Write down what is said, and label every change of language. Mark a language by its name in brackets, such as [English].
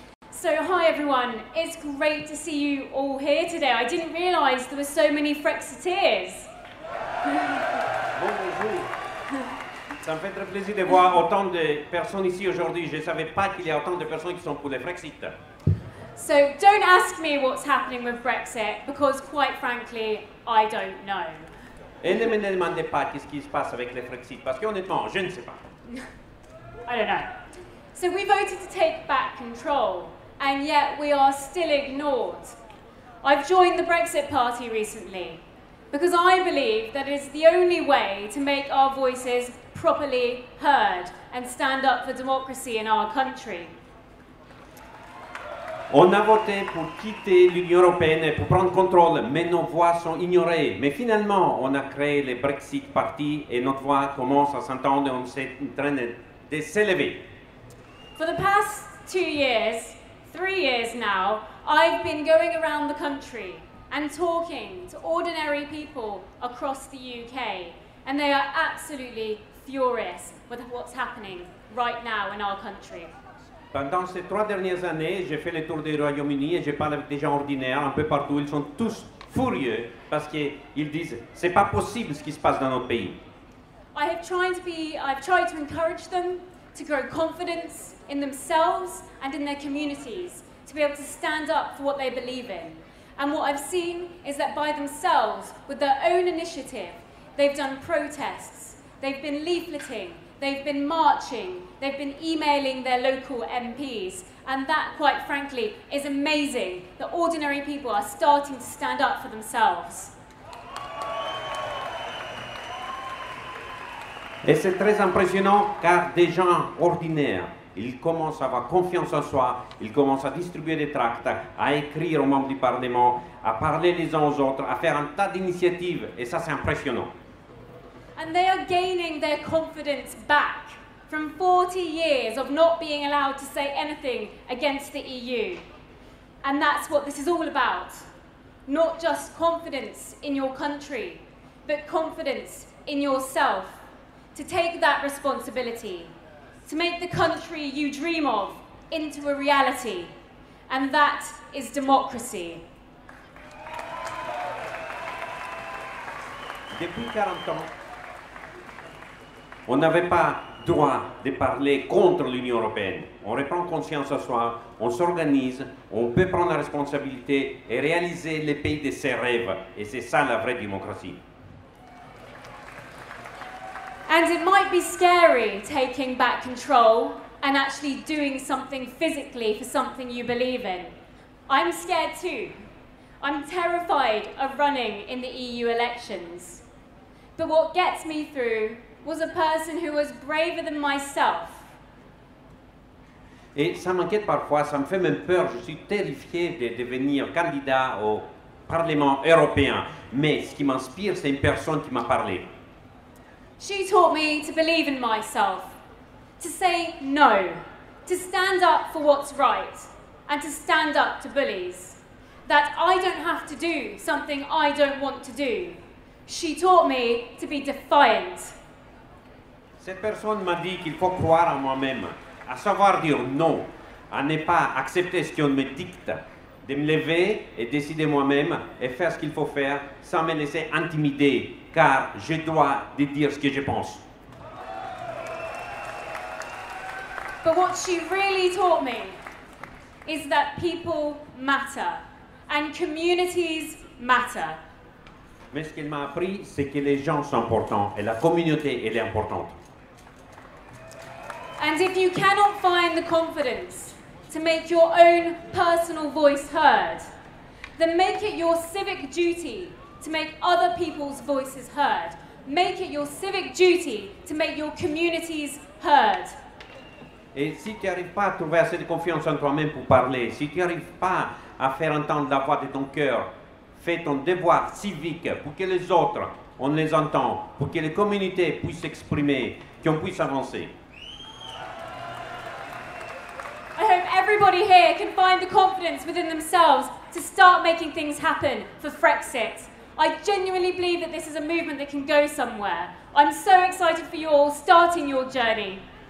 [English] So hi everyone, it's great to see you all here today. I didn't realize there were so many Frexiteers. [French] Bonjour. Ça me fait très plaisir de voir autant de personnes ici aujourd'hui. Je ne savais pas qu'il y a autant de personnes qui sont pour le Frexit. [English] So don't ask me what's happening with Brexit, because quite frankly, I don't know. [French] Et ne me demandez pas qu'est-ce qui se passe avec le Frexit, parce qu'honnêtement, je ne sais pas. [English] I don't know. So we voted to take back control, and yet we are still ignored. I've joined the Brexit Party recently, because I believe that it is the only way to make our voices properly heard and stand up for democracy in our country. [French] On a voté pour quitter l'Union européenne et pour prendre contrôle, mais nos voix sont ignorées. Mais finalement, on a créé le Brexit Party et notre voix commence à s'entendre et on est en train de s'élever. [English] For the past 2 years, 3 years now, I've been going around the country and talking to ordinary people across the UK, and they are absolutely furious with what's happening right now in our country. [French] Pendant ces 3 dernières années, j'ai fait le tour du Royaume-Uni et j'ai parlé avec des gens ordinaires un peu partout. Ils sont tous furieux parce qu'ils disent « c'est pas possible ce qui se passe dans notre pays ». [English] I've tried to encourage them to grow confidence in themselves and in their communities, to be able to stand up for what they believe in. And what I've seen is that by themselves, with their own initiative, they've done protests, they've been leafleting, they've been marching, they've been emailing their local MPs, and that, quite frankly, is amazing, that ordinary people are starting to stand up for themselves. [French] Et c'est très impressionnant, car des gens ordinaires, ils commencent à avoir confiance en soi, ils commencent à distribuer des tracts, à écrire aux membres du Parlement, à parler les uns aux autres, à faire un tas d'initiatives, et ça c'est impressionnant. [English] And they are gaining their confidence back from 40 years of not being allowed to say anything against the EU. And that's what this is all about. Not just confidence in your country, but confidence in yourself. To take that responsibility, to make the country you dream of into a reality. And that is democracy. [French] Depuis 40 ans, on n'avait pas droit de parler contre l'Union européenne. On reprend conscience à soi, on s'organise, on peut prendre la responsabilité et réaliser le pays de ses rêves. Et c'est ça la vraie démocratie. [English] And it might be scary taking back control and actually doing something physically for something you believe in. I'm scared too. I'm terrified of running in the EU elections. But what gets me through was a person who was braver than myself. [French] Et ça m'inquiète parfois, ça me fait même peur, je suis terrifié de devenir candidat au Parlement européen. Mais ce qui m'inspire, c'est une personne qui m'a parlé. [English] She taught me to believe in myself, to say no, to stand up for what's right, and to stand up to bullies. That I don't have to do something I don't want to do. She taught me to be defiant. [French] Cette personne m'a dit qu'il faut croire en moi-même, à savoir dire non, à ne pas accepter ce qu'on me dicte, de me lever et décider moi-même et faire ce qu'il faut faire sans me laisser intimider, car je dois dire ce que je pense. [English] But what she really taught me is that people matter and communities matter. [French] Mais ce qu'elle m'a appris, c'est que les gens sont importants et la communauté, elle est importante. [English] And if you cannot find the confidence to make your own personal voice heard, then make it your civic duty to make other people's voices heard. Make it your civic duty to make your communities heard. [French] Et si tu n'arrives pas à trouver assez de confiance en toi-même pour parler, si tu n'arrives pas à faire entendre la voix de ton cœur, fais ton devoir civique pour que les autres, on les entend, pour que les communautés puissent s'exprimer, qu'on puisse avancer. [English] Everybody here can find the confidence within themselves to start making things happen for Frexit. I genuinely believe that this is a movement that can go somewhere. I'm so excited for you all starting your journey.